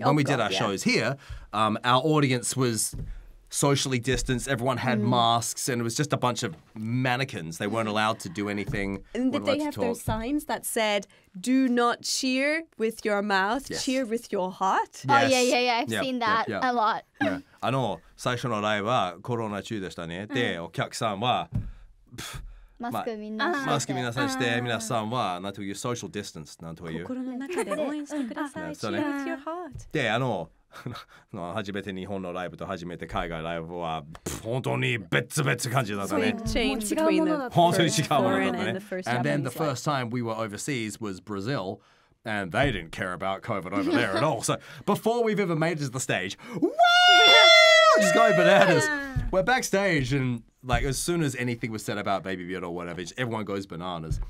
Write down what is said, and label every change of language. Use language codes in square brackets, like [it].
[en] Oh, when we did our shows here, our audience was socially distanced. Everyone had masks, and it was just a bunch of mannequins. They weren't allowed to do anything. And did they have those signs that said, "Do not cheer with your mouth, cheer with your heart"? Yes. Oh yeah, yeah, yeah. I've seen that a lot. Yeah. [ja] あの最初のライブはコロナ中でしたね。で、お客さんはマスクみんなさんして、皆さんはなんという [en] social distance [ja] なんという心の中で応援してください。で、あの初めて日本のライブと初めて海外ライブは本当に別々感じだったね。本当に違うものだったね。 [en] And then the first time we were overseas was Brazil. And they didn't care about COVID over there at all. So before we've ever made it to the stage, woo! Just going bananas. We're backstage and like as soon as anything was said about Ladybeard or whatever, everyone goes bananas.